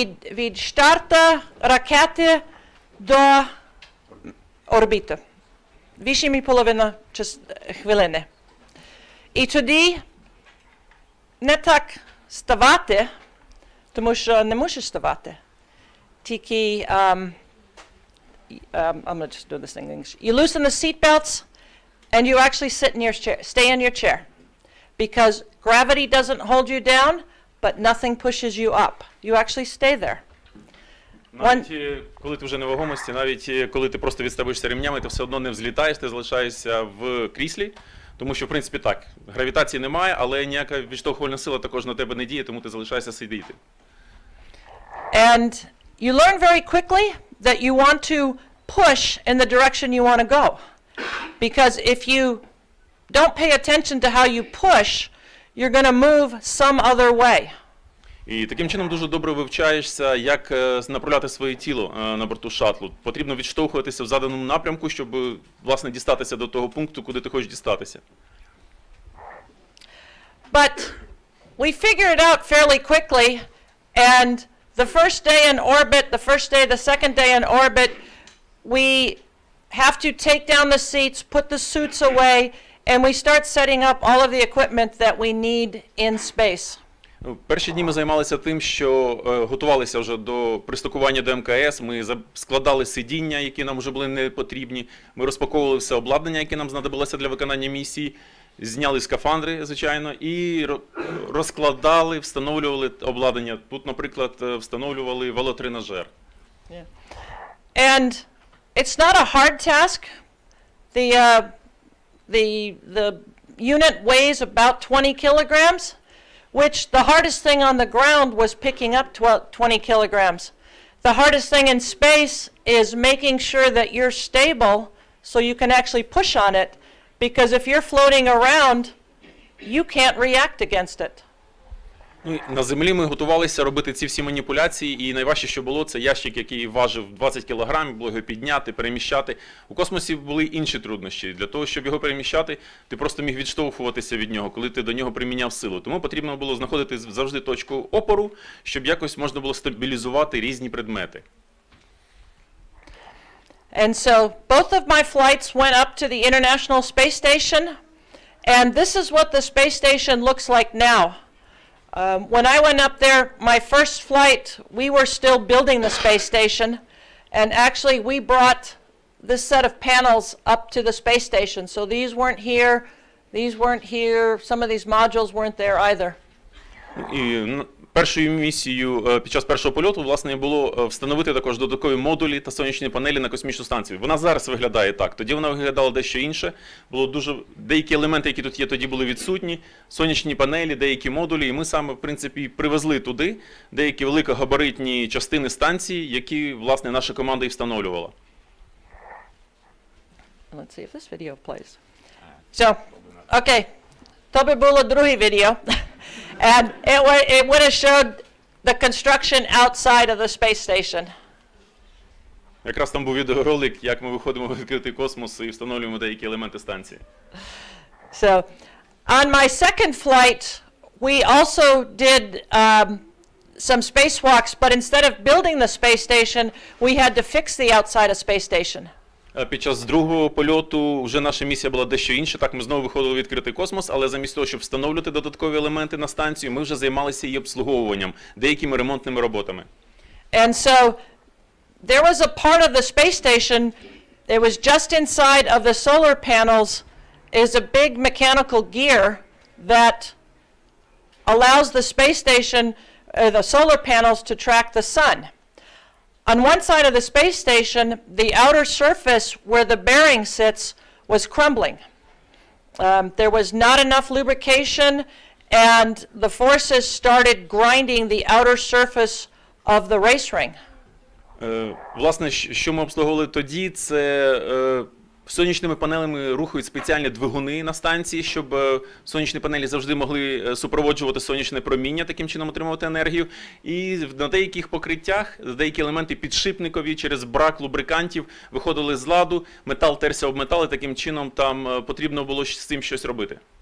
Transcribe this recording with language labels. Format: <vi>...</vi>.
<uk>Від старта ракети до орбіти. 8,5 хвилини. І тоді не так ставати, тому що не мусиш ставати. Тільки</uk> <en>I'm going to just do this in English. You loosen the seat belts and you actually sit in your chair, stay in your chair, because gravity doesn't hold you down, but nothing pushes you up. You actually stay there.</en> <uk>Навіть коли ти вже на вагомості, навіть коли ти просто відставишся ремнями, ти все одно не взлітаєш, ти залишаєшся в кріслі, тому що, в принципі, так, гравітації немає, але ніяка відштовхувальна сила також на тебе не діє, тому ти залишаєшся сидіти.</uk> <en>And you learn very quickly that you want to push in the direction you want to go. Because if you don't pay attention to how you push, you're going to move some other way.</en> <uk>І таким чином дуже добре вивчаєшся, як направляти своє тіло на борту шатлу. Потрібно відштовхуватися в заданому напрямку, щоб, власне, дістатися до того пункту, куди ти хочеш дістатися.</uk> <en>But we figured it out fairly quickly, and the first day in orbit, the first day, the second day in orbit, we have to take down the seats, put the suits away, and we start setting up all of the equipment that we need in space.</en> <uk>Перші дні ми займалися тим, що готувалися вже до пристукування до МКС, ми складали сидіння, які нам вже були не потрібні, ми розпаковували все обладнання, яке нам знадобилося для виконання місії, зняли скафандри, звичайно, і розкладали, встановлювали обладнання. Тут, наприклад, встановлювали велотренажер.</uk> <en>Yeah. And it's not a hard task. The unit weighs about 20 kilograms. Which the hardest thing on the ground was picking up 20 kilograms. The hardest thing in space is making sure that you're stable so you can actually push on it, because if you're floating around, you can't react against it.</en> <uk>На Землі ми готувалися робити ці всі маніпуляції, і найважче, що було, це ящик, який важив 20 кілограмів, було його підняти, переміщати. У космосі були інші труднощі. Для того, щоб його переміщати, ти просто міг відштовхуватися від нього, коли ти до нього приміняв силу. Тому потрібно було знаходити завжди точку опору, щоб якось можна було стабілізувати різні предмети.</uk> <en>And so, both of my flights went up to the International Space Station, and this is what the space station looks like now. When I went up there, my first flight, we were still building the space station, and actually we brought this set of panels up to the space station. So these weren't here, some of these modules weren't there either.</en> <uk>Першою місією під час першого польоту, власне, було встановити також додаткові модулі та сонячні панелі на космічну станцію. Вона зараз виглядає так, тоді вона виглядала дещо інше. Було дуже деякі елементи, які тут є, тоді були відсутні. Сонячні панелі, деякі модулі, і ми саме, в принципі, привезли туди деякі великогабаритні частини станції, які, власне, наша команда і встановлювала.</uk> <en>Let's see if this video plays. So, okay,</en> <uk>то би було друге відео.</uk> <en>And it would have showed the construction outside of the space station.</en> <uk>Якраз там був відеоролик, як ми виходимо в відкритий космос і встановлюємо деякі елементи станції.</uk> <en>So, on my second flight, we also did some spacewalks, but instead of building the space station, we had to fix the outside of space station.</en> <uk>Під час другого польоту вже наша місія була дещо інша. Так, ми знову виходили в відкритий космос, але замість того, щоб встановлювати додаткові елементи на станцію, ми вже займалися її обслуговуванням, деякими ремонтними роботами.</uk> <en>And so, there was a part of the space station, it was just inside of the solar panels, is a big mechanical gear that allows the space station, the solar panels to track the sun. On one side of the space station, the outer surface where the bearing sits was crumbling. There was not enough lubrication, and the forces started grinding the outer surface of the race ring.</en> <uk>Власне, що ми обслуговували тоді, це сонячними панелями рухають спеціальні двигуни на станції, щоб сонячні панелі завжди могли супроводжувати сонячне проміння, таким чином отримувати енергію. І на деяких покриттях, деякі елементи підшипникові, через брак лубрикантів виходили з ладу, метал терся об метал, і таким чином там потрібно було з цим щось робити.</uk>